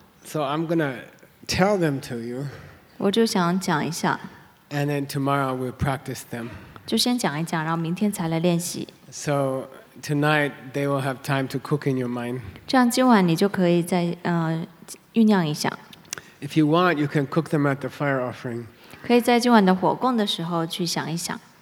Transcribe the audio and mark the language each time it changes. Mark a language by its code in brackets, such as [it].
[en] So I'm going to tell them to you. [zh] 我就想讲一下。 [en] And then tomorrow we'll practice them. [zh] 就先讲一讲，然后明天才来练习。 [en] So tonight they will have time to cook in your mind. [zh] 这样今晚你就可以再酝酿一下。 [en] If you want, you can cook them at the fire offering. [zh] 可以在今晚的火供的时候去想一想。